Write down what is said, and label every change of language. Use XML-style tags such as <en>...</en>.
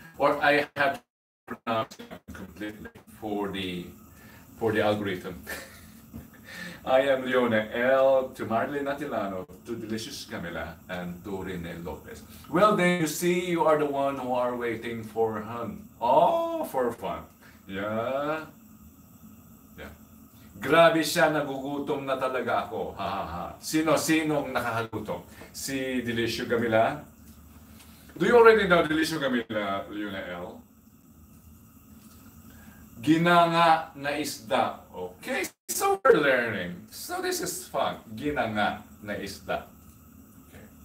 <en>Or I have pronounced it completely for the algorithm. I am Leona L. To Marlene Atilano, to Delicious Camila, and to Rene Lopez. Well, then you see, you are the one who are waiting for fun. Oh, for fun. Yeah.</en> <tl>Grabe siya, nagugutom na talaga ako. Ha ha ha. Sino-sinong nakakagutom? Si Delicious Camila?</tl> <en>Do you already know Delicious Camila, Leona L?</en> <tl>Ginanga na isda.</tl> <en>Okay. So we're learning. So this is fun.</en> <tl>Ginanga na isda.</tl> <en>Okay.</en>